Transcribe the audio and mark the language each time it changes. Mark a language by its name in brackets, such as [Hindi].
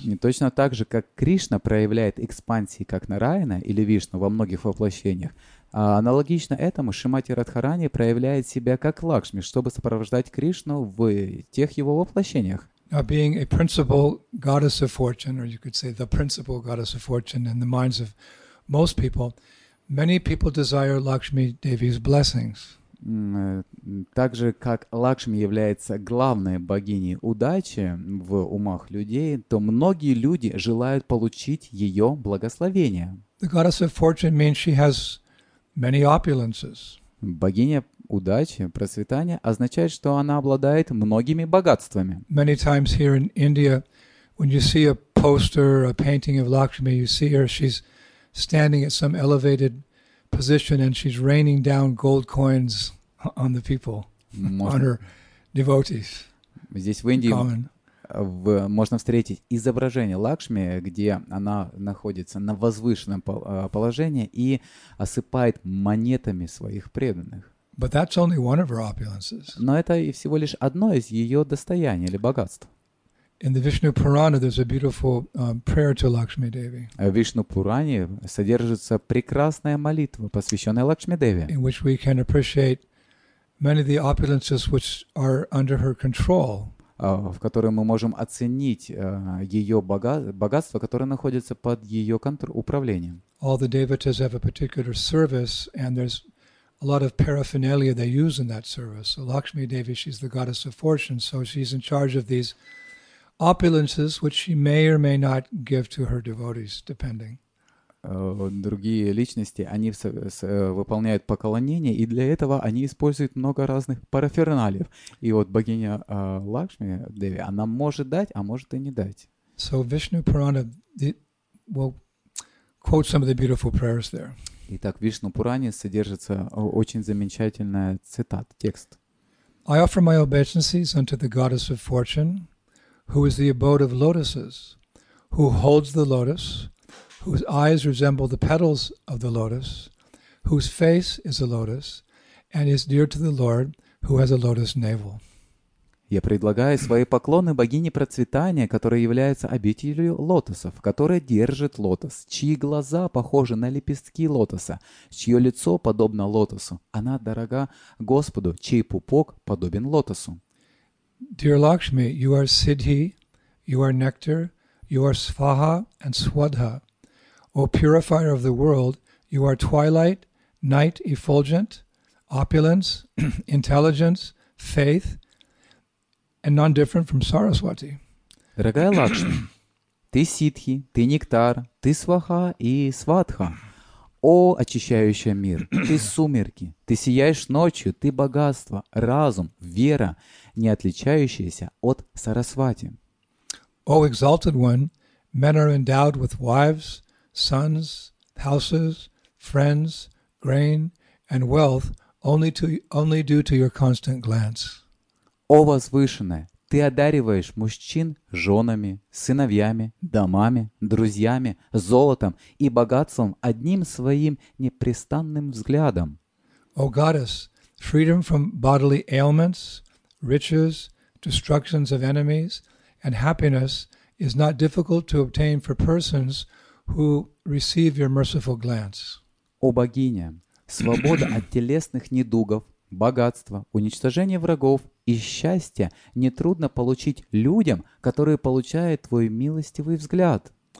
[Russian] И точно так же, как Кришна проявляет экспансии как Нараяна или Вишну во многих воплощениях, аналогично этому Шримати Радхарани проявляет себя как Лакшми, чтобы сопровождать Кришну в тех его воплощениях. [English] Now, being a principal goddess of fortune, or you could say the principal goddess of fortune in the minds of most people, many people desire Lakshmi Devi's blessings. [Russian] Так же, как Лакшми является главной богиней удачи в умах людей, то многие люди желают получить ее благословение. [English] The goddess of fortune means she has many opulences. [Russian] Богиня удачи, процветания означает, что она обладает многими богатствами. [English] Many times here in India, when you see a poster, a painting of Lakshmi, you see her, she's standing at some elevated position and she's raining down gold coins on the people, on her devotees. [Russian] Здесь в Индии можно встретить изображение Лакшми, где она находится на возвышенном положении и осыпает монетами своих преданных. [English] But that's only one of her opulences. [Russian] Но это и всего лишь одно из ее достояний или богатств. [English] In the Vishnu Purana there's a beautiful prayer to Lakshmi Devi. [Russian] В Вишну Пуране содержится прекрасная молитва, посвященная Лакшми Деви. [English] In which we can appreciate many of the opulences which are under her control. [Russian] В которой мы можем оценить ее богатство, которое находится под ее управлением. [English] All the devotees have a particular service and there's a lot of paraphernalia they use in that service. So Lakshmi Devi, she's the goddess of fortune, so she's in charge of these opulences, which she may or may not give to her devotees, depending. [Russian] Другие личности, они выполняют поклонение, и для этого они используют много разных параферналиев. И вот богиня Лакшми Деви, она может дать, а может и не дать. [English] So Vishnu Purana, we'll quote some of the beautiful prayers there. [Russian] Итак, в Вишну Пуране содержится очень замечательная цитата, текст. [English] I offer my obeisances unto the goddess of fortune, who is the abode of lotuses, who holds the lotus, whose eyes resemble the petals of the lotus, whose face is a lotus, and is dear to the Lord, who has a lotus navel. [Russian] Я предлагаю свои поклоны богине процветания, которая является обителью лотосов, которая держит лотос, чьи глаза похожи на лепестки лотоса, чье лицо подобно лотосу. Она дорога Господу, чей пупок подобен лотосу. [English] Dear Lakshmi, you are Siddhi, you are Nectar, you are Svaha and Swadha. O purifier of the world, you are twilight, night effulgent, opulence, intelligence, faith, and non-different from Saraswati. [Russian] Дорогая Лакшми, ты Сидхи, ты Нектар, ты Сваха и Сватха. О, очищающая мир, ты сумерки, ты сияешь ночью, ты богатство, разум, вера, не отличающаяся от Сарасвати. [English] О, exalted one, men are endowed with wives, sons, houses, friends, grain, and wealth only due to your constant glance. [Russian] О, возвышенное, ты одариваешь мужчин женами, сыновьями, домами, друзьями, золотом и богатством одним своим непрестанным взглядом. [English] О, goddess, freedom from bodily ailments, riches, destructions of enemies, and happiness is not difficult to obtain for persons who receive your merciful glance. [Russian] О, богиня, свобода от телесных недугов, богатство, уничтожение врагов и счастье нетрудно получить людям, которые получают твой милостивый взгляд.